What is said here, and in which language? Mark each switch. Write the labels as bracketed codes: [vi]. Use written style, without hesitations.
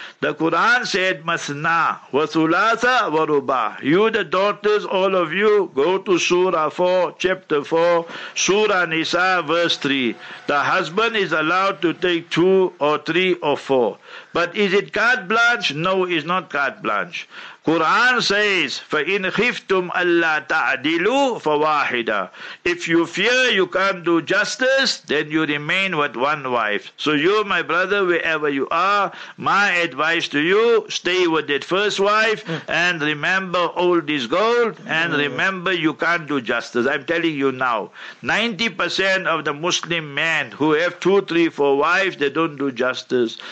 [en] The Quran said, [ar] Masna wa thulatha wa ruba. [en] You the daughters, all of you, go to Surah 4, Chapter 4, Surah Nisa, verse 3. The husband is allowed to take 2 or 3 or 4. But is it carte blanche? No, it's not carte blanche. Quran says, [ar] فَإِنْ خِفْتُمْ أَلَّا تَعْدِلُوا فَوَاحِدًا. [en] If you fear you can't do justice, then you remain with one wife. So you, my brother, wherever you are, my advice to you, stay with that first wife and remember old is gold and remember you can't do justice. I'm telling you now, 90% of the Muslim men who have 2, 3, 4 wives, they don't do justice.